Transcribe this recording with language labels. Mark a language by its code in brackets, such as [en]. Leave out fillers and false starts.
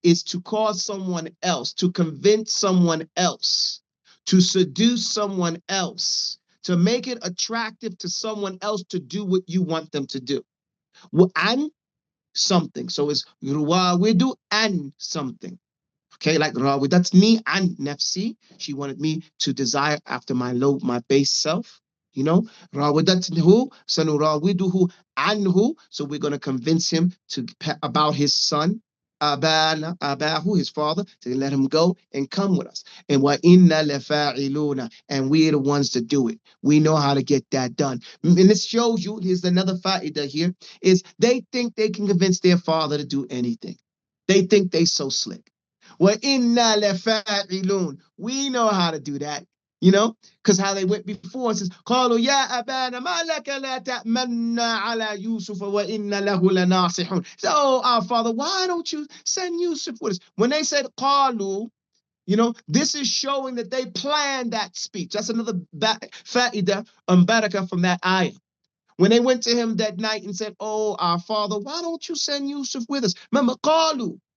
[en] Is to cause someone else, to convince someone else, to seduce someone else, to make it attractive to someone else to do what you want them to do. An something. So it's ruawidu an something. Okay, like ruawidu, that's me an nafsi. She wanted me to desire after my low, my base self. You know, [ar] راودته سنراوده عنه. [en] So we're going to convince him to about his son, [ar] أبانا, أباه, [en] his father, to let him go and come with us. And [ar] وَإِنَّا لَفَاعِلُونَ, [en] and we're the ones to do it. We know how to get that done. And this shows you, here's another faida here, is they think they can convince their father to do anything. They think they so slick. [ar] وَإِنَّا لَفَاعِلُونَ, [en] we know how to do that. You know, because how they went before and says, [ar] قَالُوا يَا أَبَانَ مَا لَكَ لَا تَأْمَنَّا عَلَى يُوسُفَ وَإِنَّ لَهُ لَنَاصِحُونَ. [en] So, oh, our father, why don't you send Yusuf with us? When they said, قَالُوا, you know, this is showing that they planned that speech. That's another fa'idah and barakah from that ayah. When they went to him that night and said, oh, our father, why don't you send Yusuf with us? Remember, قَالُوا.